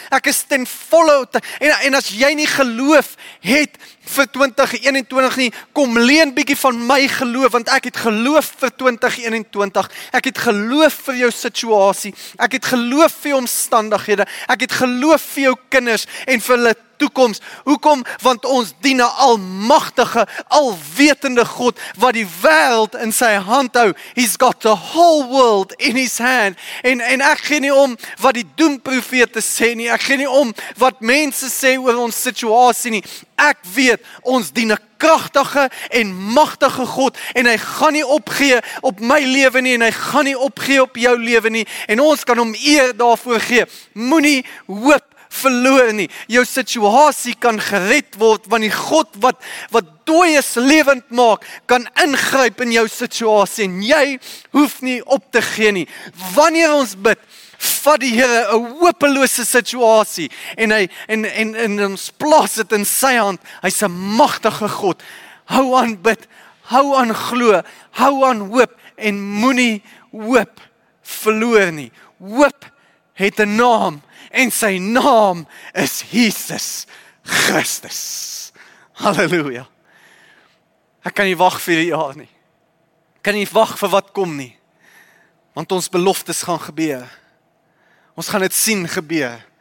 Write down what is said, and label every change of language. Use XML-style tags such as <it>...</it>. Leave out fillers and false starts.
<af>Ek is ten volle oortuig, en as jy nie geloof het vir 2021 nie, kom leen bietjie van my geloof, want ek het geloof vir 2021, ek het geloof vir jou situasie, ek het geloof vir jou omstandighede, ek het geloof vir jou kinders en vir hulle toekoms. Hoekom? Want ons dien 'n almagtige, alwetende God, wat die wêreld in sy hand hou.</af> <en>He's got the whole world in his hand.</en> <af>En ek gee nie om wat die doemprofete sê nie, ek gee nie om wat mense sê oor ons situasie nie. Ek weet, ons dien 'n kragtige en magtige God, en hy gaan nie opgee op my lewe nie, en hy gaan nie opgee op jou lewe nie, en ons kan hom eer daarvoor gee. Moenie hoop verloor nie. Jou situasie kan gered word, want die God wat dooi is lewend maak, kan ingryp in jou situasie, en jy hoef nie op te gee nie. Wanneer ons bid, vat die Here 'n hopelose situasie, en hy en ons plaas dit in sy hand. Hy's 'n magtige God. Hou aan bid, hou aan glo, hou aan hoop, en moenie hoop verloor nie. Hoop het 'n naam, en sy naam is Jesus Christus. Halleluja. Ek kan nie wag vir die jaar nie. Ek kan nie wag vir wat kom nie. Want ons beloftes gaan gebeur. Ons gaan dit sien gebeur.</af>